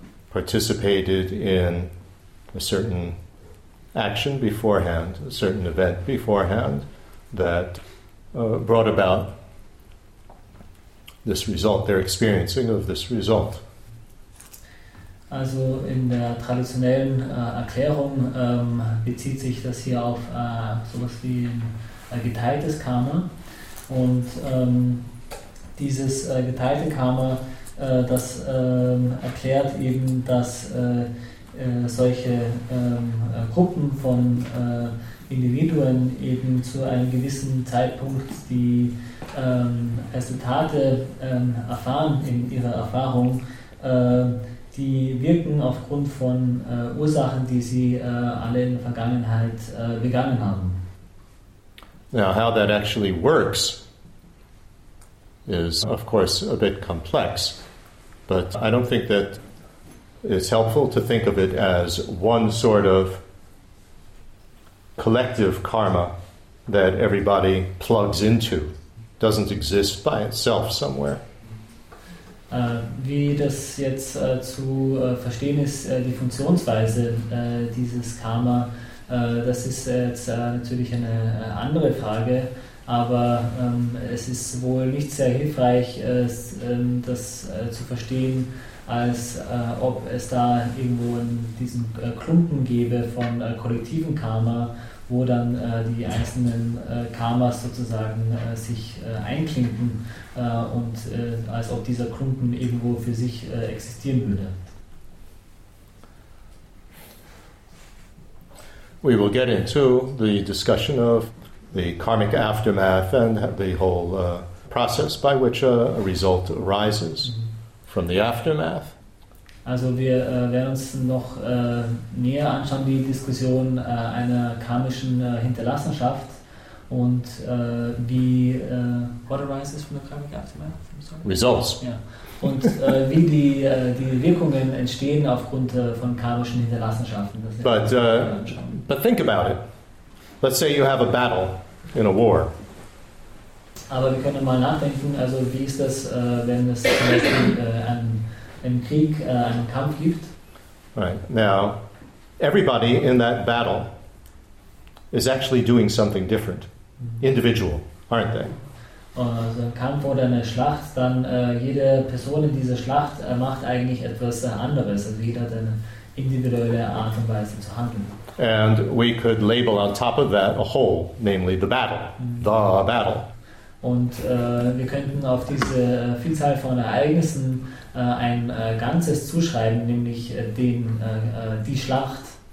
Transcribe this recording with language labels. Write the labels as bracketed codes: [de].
[en] participated in a certain action beforehand, a certain event beforehand that brought about this result, their experiencing of this result. [de] Also in der traditionellen Erklärung bezieht sich das hier auf sowas wie ein geteiltes Karma. Und dieses geteilte Karma, das erklärt eben, dass solche Gruppen von Individuen eben zu einem gewissen Zeitpunkt die Resultate erfahren in ihrer Erfahrung, die wirken aufgrund von Ursachen, die sie alle in der Vergangenheit begangen haben. [en] Now, how that actually works is, of course, a bit complex, but I don't think that it's helpful to think of it as one sort of collective karma that everybody plugs into. Doesn't exist by itself somewhere. [de] Wie das jetzt zu verstehen ist, die Funktionsweise dieses Karma, das ist jetzt natürlich eine andere Frage, aber es ist wohl nicht sehr hilfreich, das zu verstehen, als ob es da irgendwo in diesem Klumpen gäbe von kollektiven Karma, wo dann die einzelnen Karmas sozusagen sich einklinken und als ob dieser Klumpen irgendwo für sich existieren würde. [en] We will get into the discussion of the karmic aftermath and the whole process by which a result arises from the aftermath. [de] Also wir werden uns noch näher anschauen, die Diskussion einer karmischen Hinterlassenschaft und wie... [en] What arises from the karmic aftermath? Results. Yeah. [de] Und wie die, die Wirkungen entstehen aufgrund von karmischen Hinterlassenschaften. [en] But think about it. Let's say you have a battle in a war. [de] Aber wir können mal nachdenken, also wie ist das, wenn es zum Beispiel einen Krieg, einen Kampf gibt. [en] Right. Now, everybody in that battle is actually doing something different. Individual, aren't they? [de] Also ein Kampf oder eine Schlacht, dann jede Person in dieser Schlacht macht eigentlich etwas anderes. Also jeder hat eine individuelle Art und Weise zu handeln. [en] And we could label on top of that a whole, namely the battle. The battle. [de] Und wir könnten auf diese Vielzahl von Ereignissen ein Ganzes zuschreiben, nämlich den, die Schlacht.